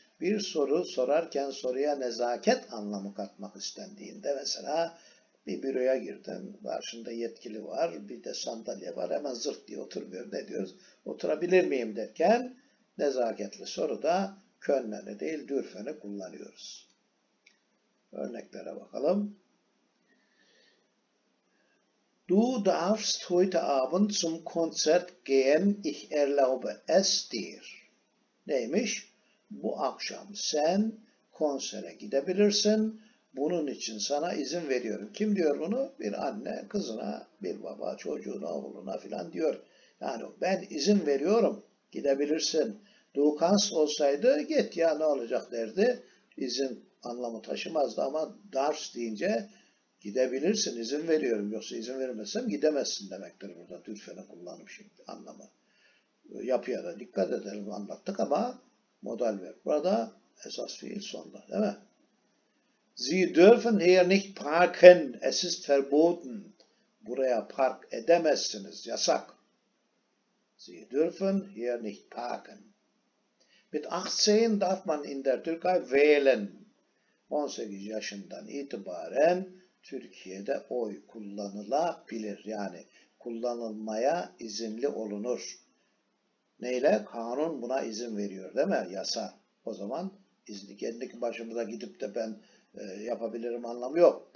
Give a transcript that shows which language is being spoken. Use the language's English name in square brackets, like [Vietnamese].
[Turkish] Bir soru sorarken soruya nezaket anlamı katmak istendiğinde mesela bir büroya girdin, karşında yetkili var, bir de sandalye var, hemen zırt diye oturmuyor, ne diyoruz? Oturabilir miyim derken nezaketli soruda könneni değil dürfeni kullanıyoruz. Örneklere bakalım. [German] Du darfst heute Abend zum Konzert gehen, ich erlaube es dir. [Turkish] Neymiş? Bu akşam sen konsere gidebilirsin. Bunun için sana izin veriyorum. Kim diyor bunu? Bir anne kızına, bir baba çocuğuna, oğluna filan diyor. Yani ben izin veriyorum. Gidebilirsin. [German] Du kannst [Turkish] olsaydı git ya ne olacak derdi. İzin anlamı taşımazdı ama darf deyince gidebilirsin, izin veriyorum. Yoksa izin vermezsem gidemezsin demektir burada. Dürfen'i kullanmışım anlamı. Yapıya da dikkat edelim anlattık ama modal verb. Burada esas fiil sonda, değil mi? [German] Sie dürfen hier nicht parken. Es ist verboten. [Turkish] Buraya park edemezsiniz. Yasak. [German] Sie dürfen hier nicht parken. Mit 18 darf man in der Türkei wählen. [Turkish] 18 yaşından itibaren Türkiye'de oy kullanılabilir. Yani kullanılmaya izinli olunur. Neyle? Kanun buna izin veriyor değil mi? Yasa. O zaman izni kendi başımıza gidip de ben yapabilirim anlamı yok.